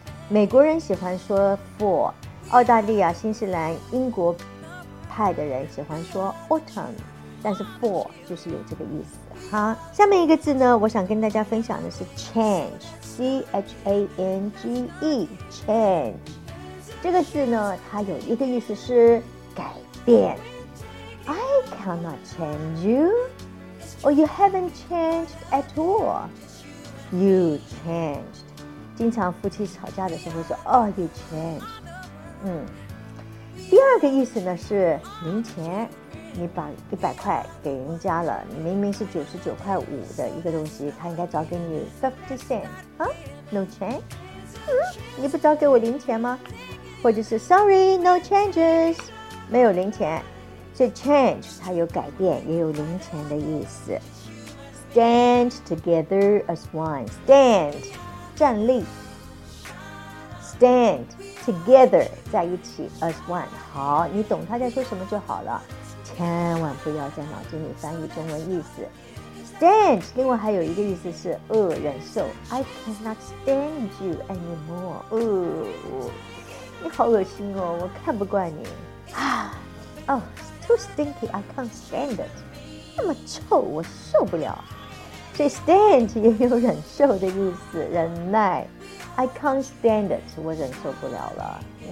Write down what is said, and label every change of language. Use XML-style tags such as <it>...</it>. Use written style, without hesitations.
<zh>美国人喜欢说 fall， 澳大利亚、新西兰、英国派的人喜欢说 autumn， 但是 fall 就是有这个意思。好，下面一个字呢，我想跟大家分享的是 change， C-H-A-N-G-E， change。这个字呢，它有一个意思是改变。</zh> <en>I cannot change you。 Oh, you haven't changed at all. You changed.</en> <zh>经常夫妻吵架的时候说</zh> <en>Oh, you changed.</en> <zh>第二个意思呢是零钱，你把100块给人家了，你明明是99.5块的一个东西，他应该找给你 50 cents.</zh> <en>No change.</en> <zh>你不找给我零钱吗？或者是</zh> <en>Sorry, no changes.</en> <zh>没有零钱。所以 change 它有改变也有零钱的意思。</zh> <en>Stand together as one，</en> <zh>Stand 站立， Stand together 在一起， as one， 好，你懂他在说什么就好了，千万不要在脑筋里翻译中文意思。 Stand 另外还有一个意思是忍受。</zh> <en>I cannot stand you anymore。</en> <zh>你好恶心哦，我看不惯你。</zh> <en>Too stinky, I can't stand it.</en> <zh>那么臭，我受不了。所以 stand 也有忍受的意思，忍耐。</zh> <en>I can't stand it,</en> <zh>我忍受不了了。</zh>